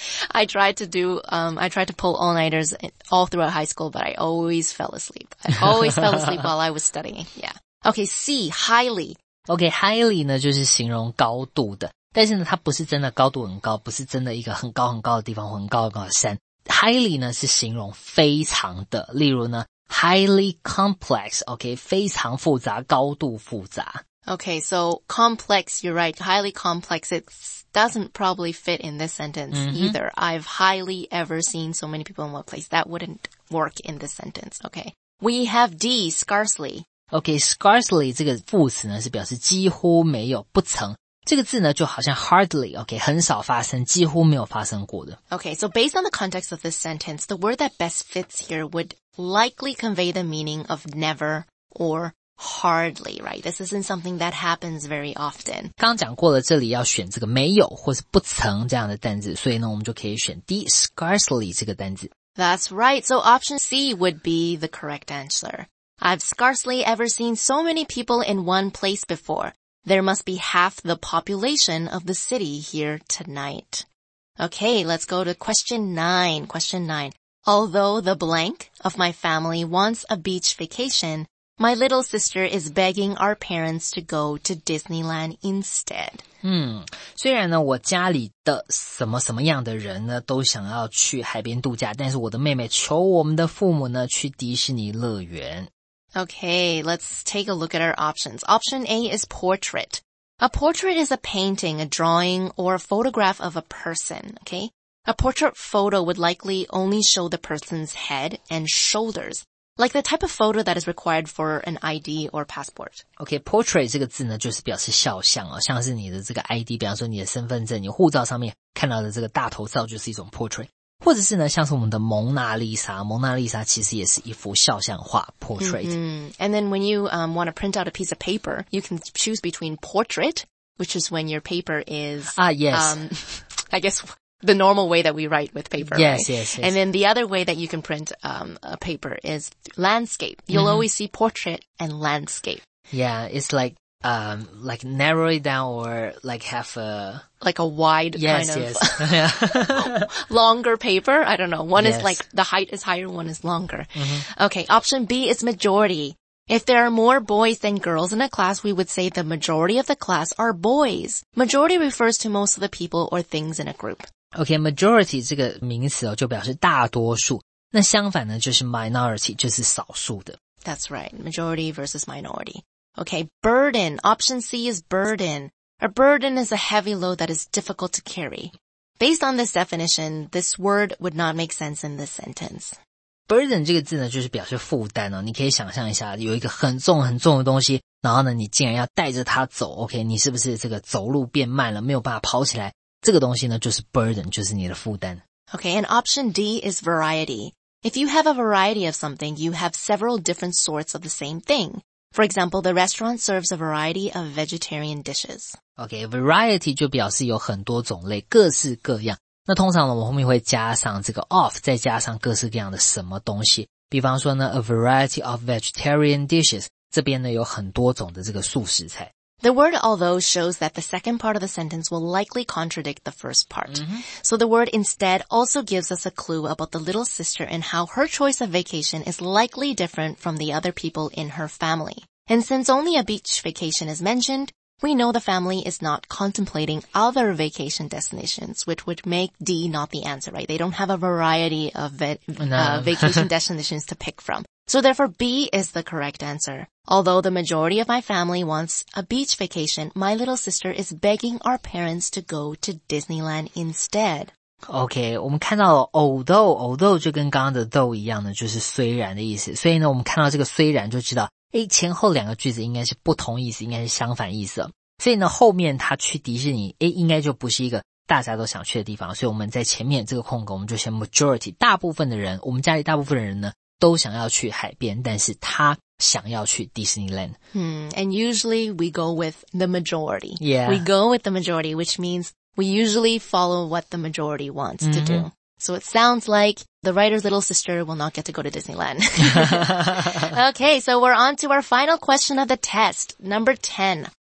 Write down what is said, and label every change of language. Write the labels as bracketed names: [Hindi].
[English] I tried to pull all-nighters all throughout high school, but I always fell asleep. I always fell asleep while I was studying. Yeah. Okay, C, highly. [Chinese] Okay, highly 呢就是形容高度的，但是呢它不是真的高度很高，不是真的一个很高很高的地方或很高很高的山。 Highly 呢是形容非常的，例如呢 highly complex, okay, 非常复杂，高度复杂。 [English] Okay, so complex, you're right, highly complex, it's doesn't probably fit in this sentence、mm-hmm. either. I've highly ever seen so many people in one place. That wouldn't work in this sentence, okay? We have D, scarcely. [Chinese] Okay, scarcely 这个副词呢是表示几乎没有不曾。这个字呢就好像 hardly, okay, 很少发生几乎没有发生过的。 [English] Okay, so based on the context of this sentence, the word that best fits here would likely convey the meaning of never or hardly, right? This isn't something that happens very often. [Chinese] 刚讲过了这里要选这个没有或是不曾这样的单字所以呢我们就可以选 D, scarcely 这个单字。 [English] That's right, so option C would be the correct answer. I've scarcely ever seen so many people in one place before. There must be half the population of the city here tonight. Okay, let's go to question 9. Question 9. Although the blank of my family wants a beach vacation, my little sister is begging our parents to go to Disneyland instead. [Chinese] 虽然呢我家里的什么什么样的人呢都想要去海边度假但是我的妹妹求我们的父母呢去迪士尼乐园。 [English] Okay, let's take a look at our options. Option A is portrait. A portrait is a painting, a drawing, or a photograph of a person, okay? A portrait photo would likely only show the person's head and shoulders, like the type of photo that is required for an ID or passport. [Chinese] Okay, portrait 这个字呢就是表示肖像哦，像是你的这个 ID, 比方说你的身份证、你护照上面看到的这个大头照就是一种 portrait。或者是呢像是我们的蒙娜丽莎蒙娜丽莎其实也是一幅肖像画 portrait、 [English] mm-hmm. And then when you、want to print out a piece of paper you can choose between portrait which is when your paper is I guess the normal way that we write with paper yes,、 right? yes, yes, and then the other way that you can print、a paper is landscape you'll、mm-hmm. always see portrait and landscape yeah it's likeLike narrow it down or like have a... Like a wide yes, kind of... Yes, yes. longer paper? I don't know. One、yes. is like the height is higher, one is longer.、 Mm-hmm. Okay, option B is majority. If there are more boys than girls in a class, we would say the majority of the class are boys. Majority refers to most of the people or things in a group. [Chinese] Okay, majority 这个名词、哦、就表示大多数。那相反呢就是 minority, 就是少数的。 [English] That's right, majority versus minority. Okay, burden. Option C is burden. A burden is a heavy load that is difficult to carry. Based on this definition, this word would not make sense in this sentence. [Chinese] Burden 这个字呢，就是表示负担哦。你可以想象一下，有一个很重很重的东西，然后呢，你竟然要带着它走。 OK, 你是不是这个走路变慢了，没有办法跑起来？这个东西呢，就是 burden, 就是你的负担。 [English] Okay, and option D is variety. If you have a variety of something, you have several different sorts of the same thing. For example, the restaurant serves a variety of vegetarian dishes. [Chinese] Okay, variety 就表示有很多种类，各式各样。那通常呢，我后面会加上这个 of, 再加上各式各样的什么东西。比方说呢 , [English] a variety of vegetarian dishes, [Chinese] 这边呢有很多种的这个素食菜。 [English] The word although shows that the second part of the sentence will likely contradict the first part.、 Mm-hmm. So the word instead also gives us a clue about the little sister and how her choice of vacation is likely different from the other people in her family. And since only a beach vacation is mentioned, we know the family is not contemplating other vacation destinations, which would make D not the answer, right? They don't have a variety of vacation destinations to pick from. So therefore, B is the correct answer. Although the majority of my family wants a beach vacation, my little sister is begging our parents to go to Disneyland instead. [Chinese] Okay, 我们看到了 although 就跟刚刚的 though 一样的，就是虽然的意思。所以呢，我们看到这个虽然就知道，诶，前后两个句子应该是不同意思，应该是相反意思。所以呢，后面他去迪士尼，诶，应该就不是一个大家都想去的地方。所以我们在前面这个空格，我们就写 majority, 大部分的人，我们家里大部分的人呢，都想要去海边，但是他想要去 Disneyland. [English] And usually we go with the majority. Yeah. We go with the majority, which means we usually follow what the majority wants、mm-hmm. to do. So it sounds like the writer's little sister will not get to go to Disneyland. Okay, so we're on to our final question of the test. Number 10.